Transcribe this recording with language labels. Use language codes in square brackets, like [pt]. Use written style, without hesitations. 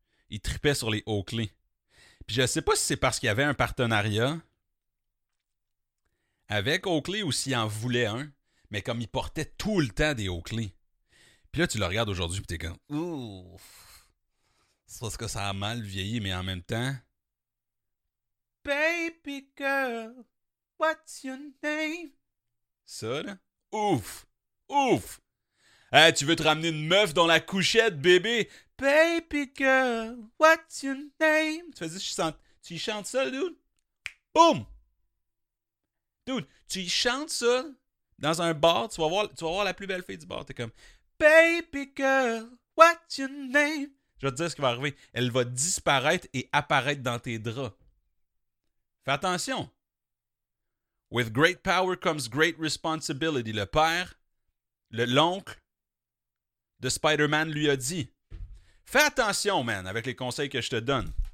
[fr] Il trippait sur les Oakley. Puis je sais pas si c'est parce qu'il y avait un partenariat avec Oakley ou s'il en voulait un. Mais comme il portait tout le temps des Oakley. Puis là, tu le regardes aujourd'hui, puis t'es comme... Ouf! C'est parce que ça a mal vieilli, mais en même temps... [en] Baby girl, what's your name? [fr] Ça, là? Ouf! Ouf! Hey, tu veux te ramener une meuf dans la couchette, bébé? [en] Baby girl, what's your name? [fr] Tu fais ça, tu y chantes ça, dude? Boum! Dude, tu y chantes ça? Dans un bar, tu vas voir la plus belle fille du bar. T'es comme, [en] baby girl, what's your name? [fr] Je vais te dire ce qui va arriver. Elle va disparaître et apparaître dans tes draps. Fais attention. [en] With great power comes great responsibility. [fr] Le père, l'oncle de Spider-Man lui a dit. Fais attention, man, avec les conseils que je te donne.